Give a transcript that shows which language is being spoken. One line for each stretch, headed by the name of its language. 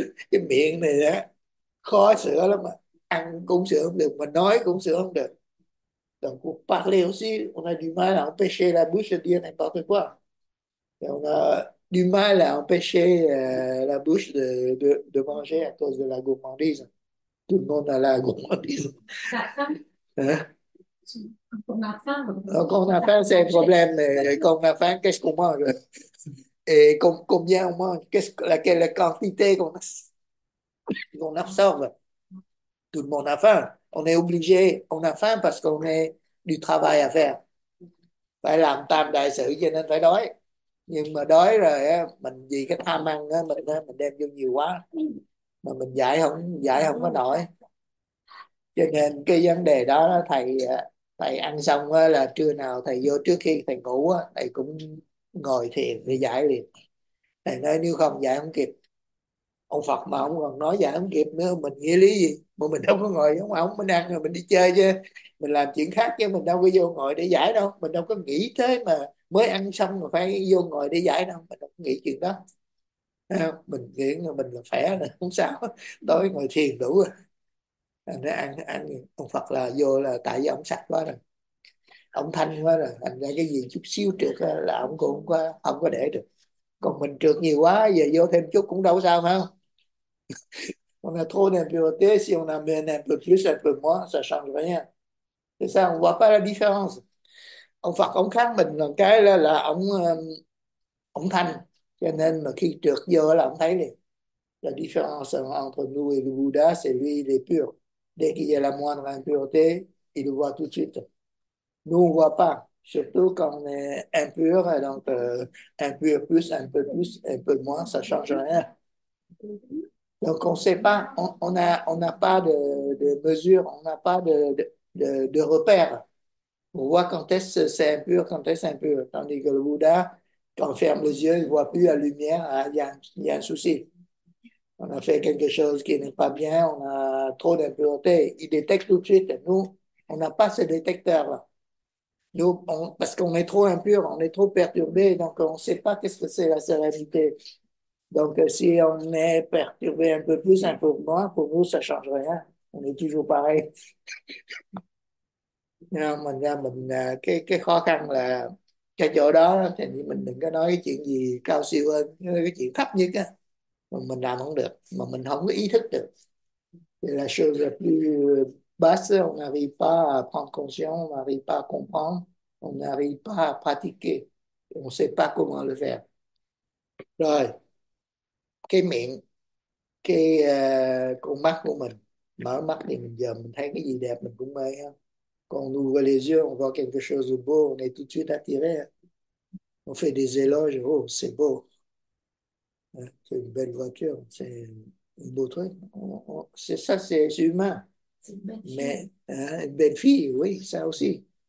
Vietnamese: Cái miệng này á, khó sửa lắm mà. Ăn cũng sửa không được, mà nói cũng sửa không được.
French: Donc, pour parler aussi, on a du mal à empêcher la bouche de dire n'importe quoi. Et on a du mal à empêcher la bouche de manger à cause de la gourmandise. Tout le monde a la gourmandise. Hein? Donc, quand on a faim, c'est un problème. Mais quand on a faim, qu'est-ce qu'on mange? Et combien on mange? Quelle quantité qu'on absorbe? Tout le monde a faim. On est obligé, on a faim parce qu'on a du travail à faire.
Vietnamese: Phải làm tam đại sự cho nên phải đói. Nhưng mà đói rồi, mình vì cái tham ăn, mình đem vô nhiều quá. Mà mình giải không có nổi. Cho nên cái vấn đề đó, thầy... Thầy ăn xong á, là trưa nào thầy vô trước khi thầy ngủ á, thầy cũng ngồi thiền để giải liền. Thầy nói nếu không giải không kịp. Ông Phật mà ông còn nói giải không kịp nữa, mình nghĩa lý gì? Mà mình đâu có ngồi giống ông, mình ăn rồi mình đi chơi chứ. Mình làm chuyện khác chứ mình đâu có vô ngồi để giải đâu. Mình đâu có nghĩ thế mà mới ăn xong mà phải vô ngồi để giải đâu. Mình đâu có nghĩ chuyện đó. À, mình nghĩ là mình là khỏe rồi, không sao. Tối ngồi thiền đủ rồi. Anh nói ăn ông Phật là vô là tại vì ông sạch quá rồi, ông thanh quá rồi, thành ra cái gì chút xíu trượt là ông cũng không có để được. Còn mình trượt nhiều quá giờ vô thêm chút cũng đâu sao phải không?
French: On a trop d'impureté, si on en met un peu plus, un peu moins, ça change rien. C'est ça, on voit pas la différence. Ông Phật ông khác mình là cái là ông thanh, cho nên mà khi trượt vô là ông thấy liền. La différence entre nous et le Bouddha, c'est lui, il est pur. Dès qu'il y a la moindre impureté, il le voit tout de suite. Nous, on ne voit pas. Surtout quand on est impur, donc impur plus, un peu moins, ça ne change rien. Donc, on ne sait pas, on n'a pas de mesure, on n'a pas de repère. On voit quand est-ce que c'est impur, quand est-ce impur. Tandis que le Bouddha, quand on ferme les yeux, il ne voit plus la lumière, il y a un souci. On a fait quelque chose qui n'est pas bien, on a trop d'impureté. Il détecte tout de suite. Nous, on n'a pas ce détecteur-là. Nous, parce qu'on est trop impur, on est trop perturbé, donc on ne sait pas qu'est-ce que c'est la sérénité. Donc, si on est perturbé un peu plus, un peu moins, pour nous, ça ne change rien. On est toujours pareil.
Vietnamese: Nhưng mà ra mình cái khó khăn là cái chỗ đó thì mình đừng có nói cái chuyện gì cao siêu hơn, cái chuyện thấp nhất á mà mình làm không được, mà mình không có ý thức được.
French: La chose la plus basse, on n'arrive pas à prendre conscience, on n'arrive pas à comprendre, on n'arrive pas à pratiquer, on ne sait pas comment le faire.
Vietnamese: Rồi, cái miệng, cái con mắt của mình, mở mắt thì mình giờ mình thấy cái gì đẹp mình cũng mê ha.
French: Quand on ouvre les yeux, on voit quelque chose de beau, on est tout de suite attiré. On fait des éloges, oh, c'est beau. C'est une belle voiture, c'est un beau truc. C'est ça, c'est humain. Mais une belle fille, oui, ça aussi.